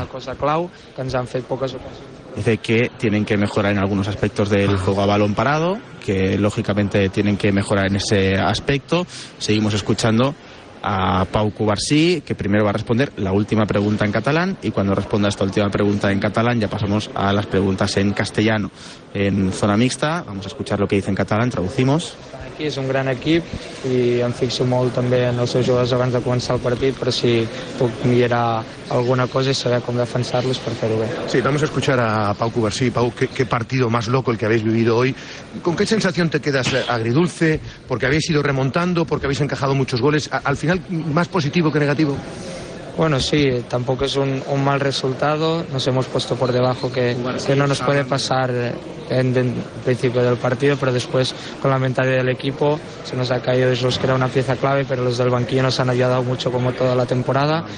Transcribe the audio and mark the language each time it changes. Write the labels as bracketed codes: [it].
[ca] Una cosa clau que ens han fet poques ocasions. [es] Dice que tienen que mejorar en algunos aspectos del juego a balón parado, que lógicamente tienen que mejorar en ese aspecto. Seguimos escuchando a Pau Cubarsí, que primero va a responder la última pregunta en catalán, y cuando responda esta última pregunta en catalán ya pasamos a las preguntas en castellano. En zona mixta, vamos a escuchar lo que dice en catalán, traducimos. [ca] Aquí és un gran equip i em fixo molt també en els seus jugadors abans de començar el partit, però si puc millorar alguna cosa i saber com defensar-los per fer-ho bé. [es] Sí, vamos a escuchar a Pau Cubarsí. Pau, ¿qué partido más loco el que habéis vivido hoy? ¿Con qué sensación te quedas, agridulce? ¿Porque habéis ido remontando? ¿Porque habéis encajado muchos goles? ¿Al final más positivo que negativo? Bueno, sí, tampoco es un mal resultado. Nos hemos puesto por debajo, que no nos puede pasar en principio del partido, pero después con la mentalidad del equipo se nos ha caído Islos, que era una pieza clave, pero los del banquillo nos han ayudado mucho como toda la temporada.